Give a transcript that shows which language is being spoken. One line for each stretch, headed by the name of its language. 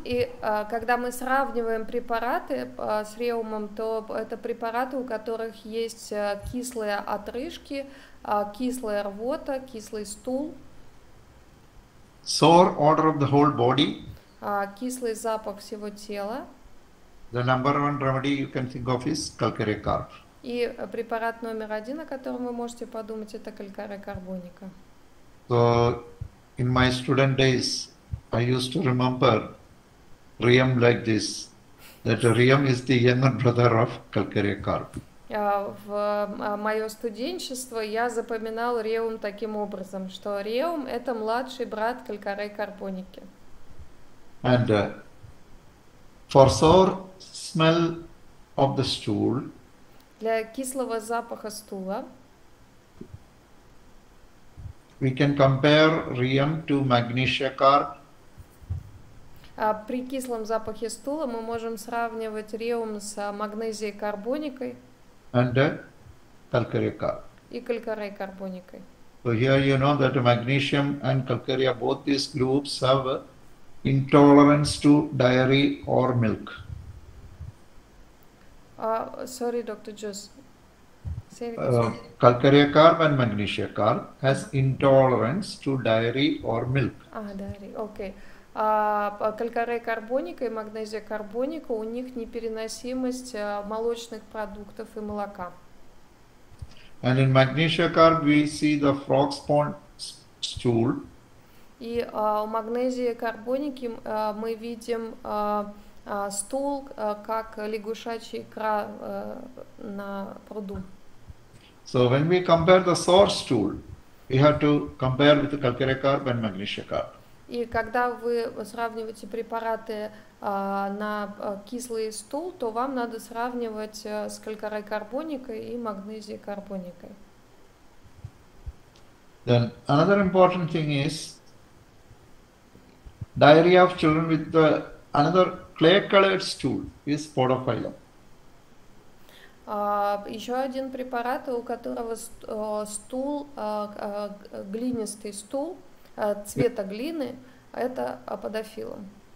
Russian: И когда мы сравниваем препараты с Риамом, то это препараты, у которых есть кислые отрыжки, кислая рвота, кислый стул.
English: Sore odor of the whole body.
Russian: Кислый запах всего тела.
English: The number one remedy you can think of is calcarea carb.
Russian: И препарат номер один, о котором вы можете подумать, это калькария карбоника.
English: So, in my student days, I used to remember Riyam like this, that Riyam is the younger brother of calcarea carb.
Russian: В мое студенчество я запоминал Риам таким образом, что Риам — это младший брат калькарей карбоники.
English: And for sore smell of the stool,
Russian: для кислого запаха стула,
English: we can compare Riyam to magnesia carb.
Russian: При кислом запахе стула мы можем сравнивать Риам с магнезией карбоникой
English: and calcarea carb.
Russian: И калькарей карбоникой.
English: So here you know that magnesium and calcarea, both these groups have intolerance to dairy or milk. Sorry, Dr. Jus. Calcarea carb and magnesia carb has intolerance to dairy or milk. Dairy. Okay.
Russian: Калькарей карбоника и магнезия карбоника, у них непереносимость молочных продуктов и молока.
English: And in magnesia carb we see the frog's pond stool.
Russian: И у магнезии карбоники мы видим стул как лягушачья икра на пруду.
English: So when we compare the sore stool, we have to compare with the calcarea carb and magnesia carb.
Russian: И когда вы сравниваете препараты на кислый стул, то вам надо сравнивать с калькарей карбоникой и магнезией карбоникой.
English: Then another important thing is diarrhea of children with the another clay-colored stool is podophyllum.
Russian: Еще один препарат, у которого стул глинистый стул цвета глины, это подофилум.